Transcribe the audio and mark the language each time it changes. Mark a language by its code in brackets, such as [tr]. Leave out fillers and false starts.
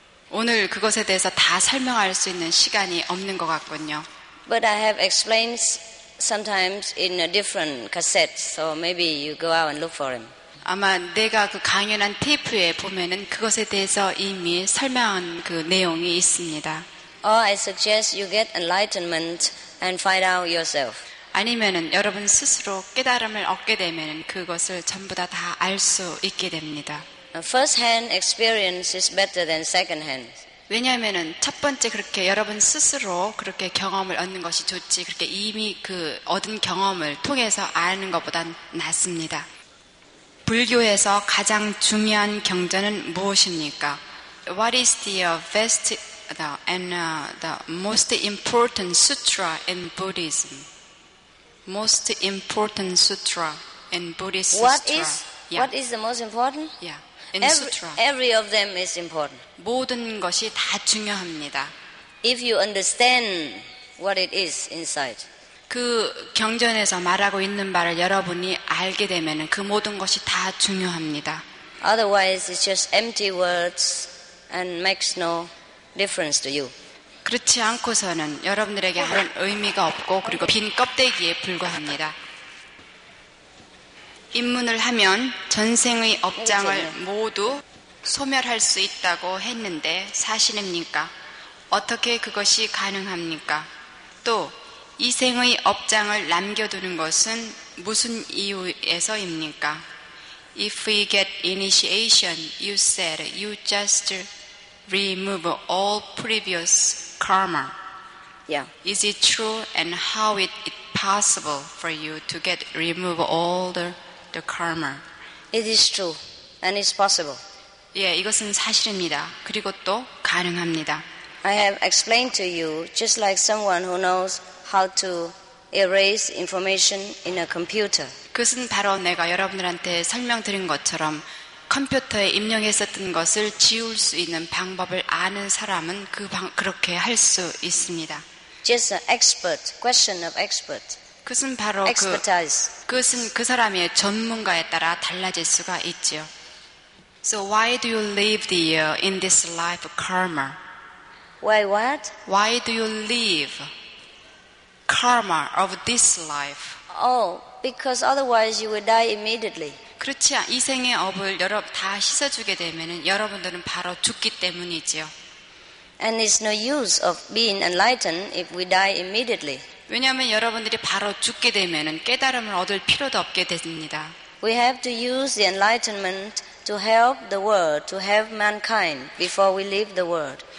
[ko] 오늘 그것에 대해서 다 설명할 수 있는 시간이 없는 것 같군요. [en] But I have explained sometimes in a different cassette, so maybe you go out and look for him. [ko] 아마 내가 그 강연한 테이프에 보면은 그것에 대해서 이미 설명한 그 내용이 있습니다. [en] Or I suggest you get enlightenment and find out yourself. [ko] 아니면은 여러분 스스로 깨달음을 얻게 되면은 그것을 전부 다 알 수 있게 됩니다. [en] First hand experience is better than second hand. [ko] 왜냐하면은 첫 번째 그렇게 여러분 스스로 그렇게 경험을 얻는 것이 좋지 그렇게 이미 그 얻은 경험을 통해서 아는 것보단 낫습니다. 불교에서 가장 중요한 경전은 무엇입니까? [en] What is the best the most important sutra in Buddhism? Most important sutra in Buddhist sutra. What is the most important? Yeah. Every of them is important. [ko] 모든 것이 다 중요합니다. [en] If you understand what it is inside. [ko] 그 경전에서 말하고 있는 말을 여러분이 알게 되면은 그 모든 것이 다 중요합니다. [en] Otherwise, it's just empty words and makes no difference to you. [ko] 그렇지 않고서는 여러분들에게 아무 의미가 없고 그리고 빈 껍데기에 불과합니다. 입문을 하면 전생의 업장을 모두 소멸할 수 있다고 했는데 사실입니까? 어떻게 그것이 가능합니까? 또 이생의 업장을 남겨두는 것은 무슨 이유에서입니까? [en] If we get initiation, you said you just remove all previous karma. Yeah. Is it true and how is it possible for you to get remove all the karma? It is true and it's possible. [ko] 예, 이것은 사실입니다. 그리고 또 가능합니다. [en] I have explained to you just like someone who knows how to erase information in a computer. [ko] 그것은 바로 내가 여러분들한테 설명드린 것처럼 컴퓨터에 입력했었던 것을 지울 수 있는 방법을 아는 사람은 그렇게 할 수 있습니다. [en] Just an expert, question of expert. [ko] 그것은 바로 그것은 그 사람의 전문가에 따라 달라질 수가 있죠. [en] So why do you live in this life karma? Why what? Why do you live karma of this life? Oh, because otherwise you will die immediately. [ko] 그렇지 않, 이 생의 업을 여러분 다 씻어주게 되면은 여러분들은 바로 죽기 때문이지요. [en] And it's no use of being enlightened if we die immediately. [ko] 왜냐하면 여러분들이 바로 죽게 되면은 깨달음을 얻을 필요도 없게 됩니다. [en] We have to use the enlightenment to help the world, to help mankind before we leave the world.